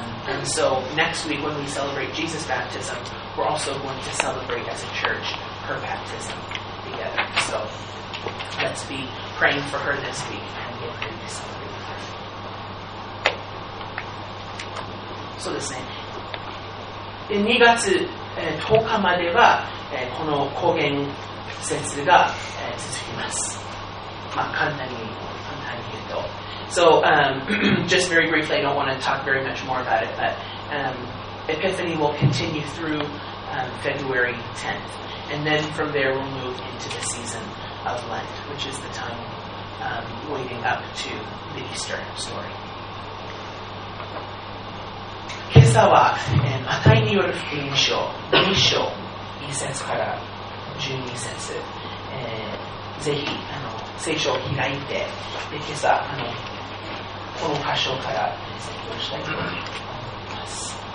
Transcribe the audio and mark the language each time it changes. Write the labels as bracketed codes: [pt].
[en] And so next week when we celebrate Jesus' baptism, we're also going to celebrate as a church her baptism together. So let's be praying for her this week and get ready to celebrate with her. So listen. [ja] で、2月、10日までは、この講演節が、続きます。まあ、簡単に言うと。 [en] So, just very briefly, I don't want to talk very much more about it, but Epiphany will continue through February 10th. And then from there we'll move into the season of Lent, which is the time leading up to the Easter story. [ja] 今朝は、マタイによる福音書2章1節から12節、ぜひ聖書を開いて、で今朝この箇所から説教したいと思います。